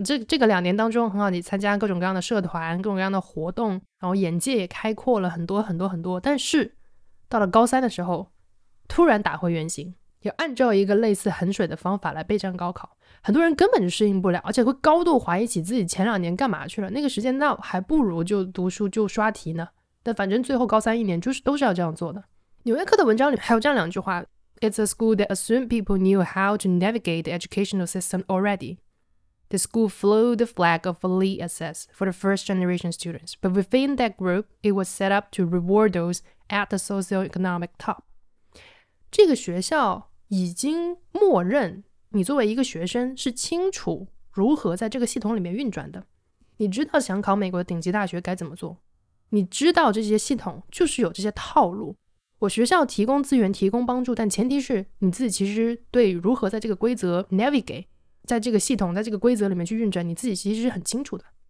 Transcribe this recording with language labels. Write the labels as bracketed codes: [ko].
[zh] 这个两年当中很好，你参加各种各样的社团，各种各样的活动，然后眼界也开阔了很多很多很多，但是到了高三的时候突然打回原形，也按照一个类似衡水的方法来备战高考，很多人根本就适应不了，而且会高度怀疑起自己前两年干嘛去了，那个时间到还不如就读书就刷题呢。但反正最后高三一年就是都是要这样做的。纽约客的文章里还有这样两句话， [en] It's a school that assumed people knew how to navigate the educational system already. The school flew the flag of LESS for the first generation students, but within that group, it was set up to reward those at the socioeconomic top. [zh] 这个学校已经默认你作为一个学生是清楚如何在这个系统里面运转的，你知道想考美国的顶级大学该怎么做，你知道这些系统就是有这些套路，我学校提供资源提供帮助，但前提是你自己其实对如何在这个规则 navigate 在这个系统在这个规则里面去运转你自己其实是很清楚的。